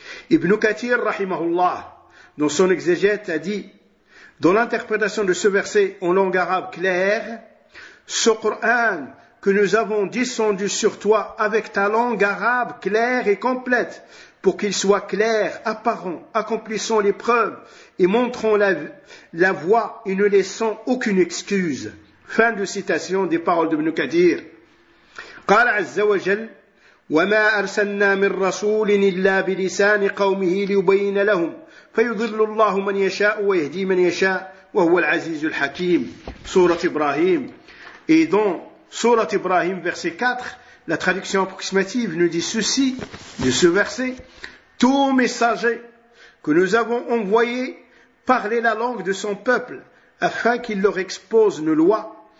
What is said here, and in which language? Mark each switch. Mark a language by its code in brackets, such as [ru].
[fr] Ibn Kathir, rahimahullah, dans son exégète, a dit, dans l'interprétation de ce verset en langue arabe claire, ce Coran que nous avons descendu sur toi avec ta langue arabe claire et complète, pour qu'il soit clair, apparent, accomplissant les preuves et montrant la voie et ne laissant aucune excuse. Fin de citation des paroles de Ibn Kathir. [ar] قال عز وجل وما أرسلنا من رسول إلا بلسان قومه ليبين لهم فيضل الله من يشاء ويهدي من يشاء وهو العزيز الحكيم. سورة إبراهيم. [fr] Et dans [ar] سورة إبراهيم [fr] verset 4, la traduction approximative nous dit ceci de ce verset. Tout messager que nous avons envoyé parlait la langue de son peuple afin qu'il leur expose une loi.